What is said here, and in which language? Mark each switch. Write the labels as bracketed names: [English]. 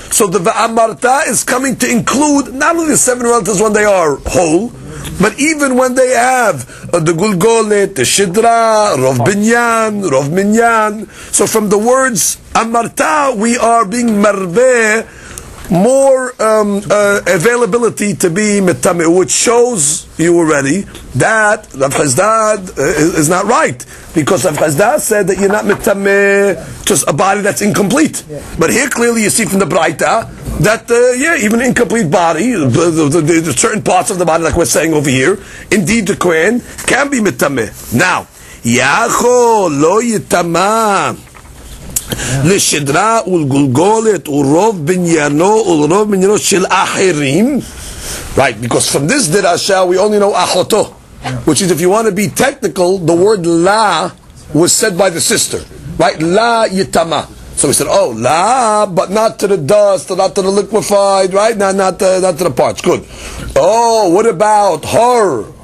[English] So the ve amarta is coming to include not only the seven relatives when they are whole, but even when they have the gulgolet, the shidra, rov binyan, so from the words amarta, we are being marveh, more availability to be metameh, which shows you already that Rav Chazdad is not right, because Rav Chazdad said that you're not metameh just a body that's incomplete. Yeah. But here clearly you see from the Braita that even incomplete body, the certain parts of the body, like we're saying over here, indeed the Kohen can be metameh. Now, Yacho lo yitama. [Hebrew] לשדרה ולגולגולת ורוב בניינו ולרוב בניינו של אחרים. [English] Right, because from this derasha we only know אחותו. Which is, if you want to be technical, the word la was said by the sister. Right, la yitama. So we said, oh, la, but not to the dust, not to the liquefied, right? Not to the parts. Good. Oh, what about her?